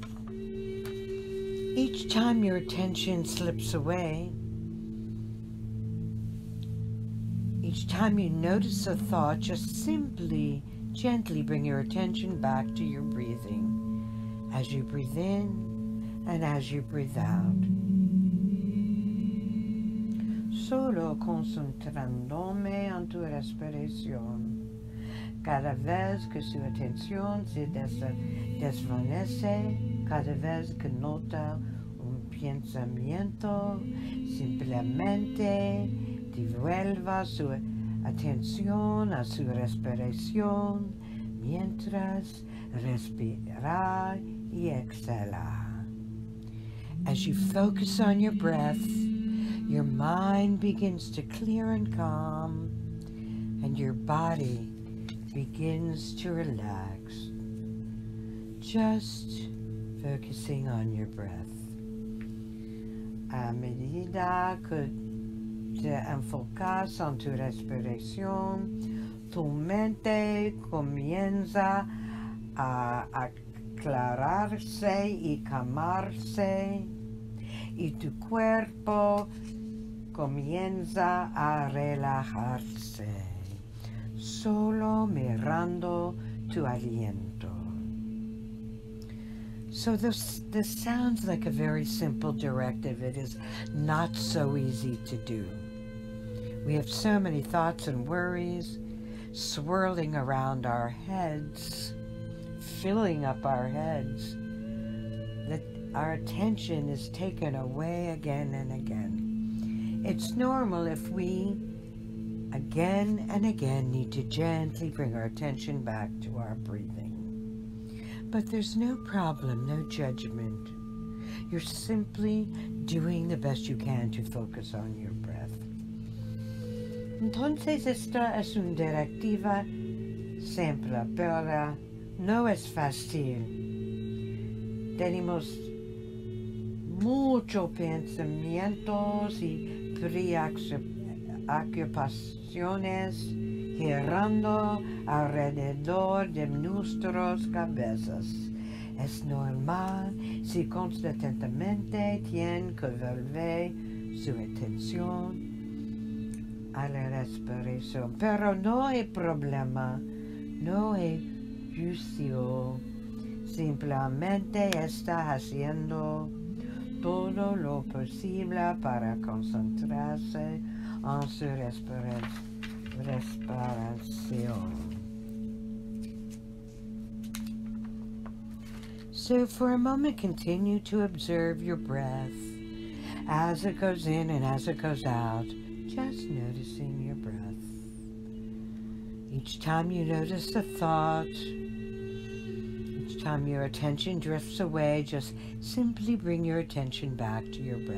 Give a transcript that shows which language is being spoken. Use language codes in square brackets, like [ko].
[en] Each time your attention slips away, each time you notice a thought, just simply, gently bring your attention back to your breathing as you breathe in and as you breathe out. [es] Solo concentrándome en tu respiración, cada vez que su atención se desvanece, cada vez que nota pensamiento, simplemente devuelva su atención a su respiración mientras respira y exhala. [en] As you focus on your breath, your mind begins to clear and calm, and your body begins to relax. Just focusing on your breath. [es] A medida que te enfocas en tu respiración, tu mente comienza a aclararse y calmarse, y tu cuerpo comienza a relajarse, solo mirando tu aliento. [en] So this sounds like a very simple directive. It is not so easy to do. We have so many thoughts and worries swirling around our heads, filling up our heads, that our attention is taken away again and again. It's normal if we again and again need to gently bring our attention back to our breathing. But there's no problem, no judgment. You're simply doing the best you can to focus on your breath. [es] Entonces esta es una directiva simple, pero no es fácil. Tenemos muchos pensamientos y preocupaciones girando alrededor de nuestras cabezas. Es normal si constantemente tiene que volver su atención a la respiración. Pero no hay problema, no hay juicio. Simplemente está haciendo todo lo posible para concentrarse en su respiración. [en] So for a moment, continue to observe your breath as it goes in and as it goes out, just noticing your breath. Each time you notice a thought, each time your attention drifts away, just simply bring your attention back to your breath.